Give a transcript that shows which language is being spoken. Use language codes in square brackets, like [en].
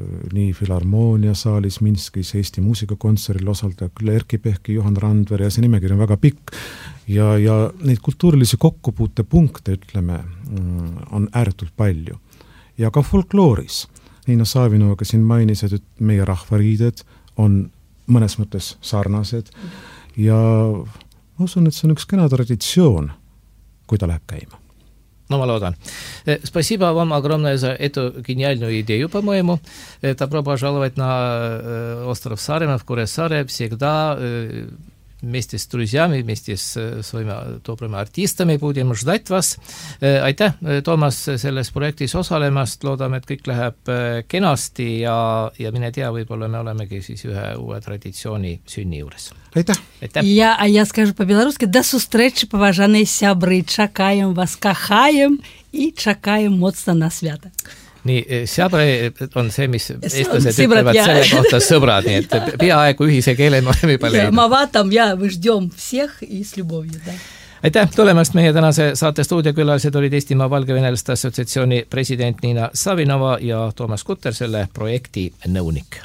[et] nii Filharmoonia saalis Minskis Eesti muusikakontseril osalda küll Erki Pehki, Johan Randver ja see nimekirja on väga pikk ja neid kultuurilisi kokkupuute punkte ütleme on ääretult palju ja ka folklooris Niina Saavinuga siin mainis, et meie rahvariided on mõnes mõttes sarnased ja ma usun, et see on üks kena traditsioon, kui ta läheb käima. No ma loodan. [ru] Спасибо вам огромное за эту гениальную идею, по-моему. Добро пожаловать на остров Сарема в Куресаре. Всегда вместе с друзьями, вместе с своими добрыми артистами будем ждать вас. [et] Aitäh, Toomas, selles projektis osalemast. Loodame, et kõik läheb kenasti ja mine tea, võib-olla me olemegi siis ühe uue traditsiooni sünni juures. [ru] Я скажу по-белорусски, до встречи, [be] поважанные сябры, чакаем вас, кахаем и чакаем моцно на свято. [et] Nii, sõbra on see, mis eestlased ütlevad selle kohta sõbrad, nii et peaaegu ühise keele me oleme juba leidnud. Ma vaatam, jah, [ru] võždjom всех и с любовью, да. [et] Aitäh tulemast meie tänase saate stuudiakülalised olid Eestimaa Valgevenelaste assotsiatsiooni president Niina Savinova ja Toomas Kutter, selle projekti nõunik.